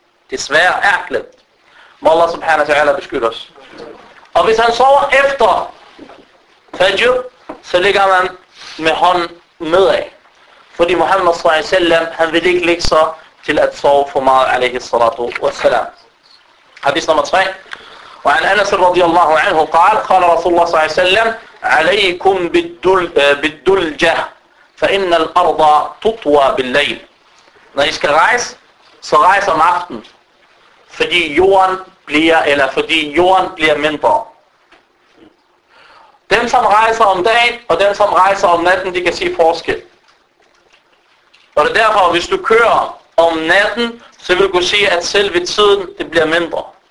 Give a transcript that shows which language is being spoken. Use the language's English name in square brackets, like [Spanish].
[Danish] Desværre er klemt. Må Allah subhanahu wa ta'ala beskytte os. Og hvis han sover efter fajr, så ligger man med hånden nedad. Fordi Muhammad sallallahu alaihi wasallam, han vil ikke lægge sig til at sove for meget, alaihi salatu wassalam. Hadis nummer 3. [Arabic] وعن أنس رضي الله عنه قال قال رسول الله صلى الله عليه وسلم عليكم بالدلجة فإن الأرض تطوى بالليل. [Danish] Når I skal rejse, så rejse om aften, fordi jorden bliver, eller fordi jorden bliver mindre. Dem som rejser om dagen og dem som rejser om natten, de kan se forskel. Og det er derfor, hvis du kører om natten, så vil du se, at selve tiden det bliver mindre.